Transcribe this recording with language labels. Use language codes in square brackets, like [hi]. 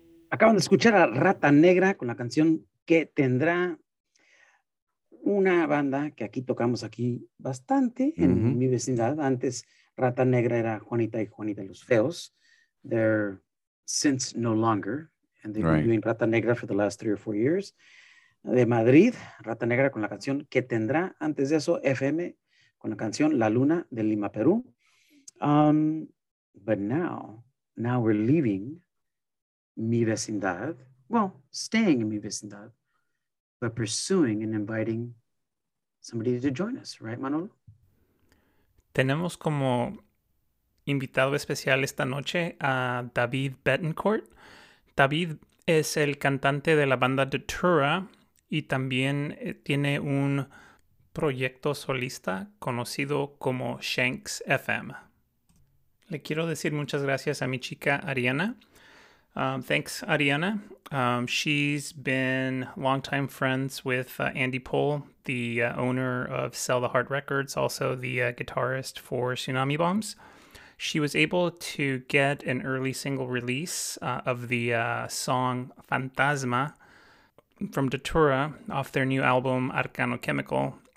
[es] Acaban de escuchar a Rata Negra con la canción Que Tendrá, una banda que aquí tocamos aquí bastante en uh-huh. mi vecindad. Antes Rata Negra era Juanita y Juanita los Feos. [en] They're since no longer. And they've been doing Rata Negra for the last 3 or 4 years. [es] De Madrid, Rata Negra con la canción Que Tendrá. Antes de eso, FM con la canción La Luna de Lima, Perú. [en] But now we're leaving mi vecindad. Well, staying in mi vecindad, but pursuing and inviting somebody to join us. Right, Manolo? [es] Tenemos como invitado especial esta noche a David Betancourt. David es el cantante de la banda Datura y también tiene un proyecto solista conocido como Shanks FM. Le quiero decir muchas gracias a mi chica Ariana. [en] Thanks, Ariana. She's been longtime friends with Andy Pohl, the owner of Sell the Heart Records, also the guitarist for Tsunami Bombs. She was able to get an early single release of the song Fantasma from Datura off their new album Arcano Chemical.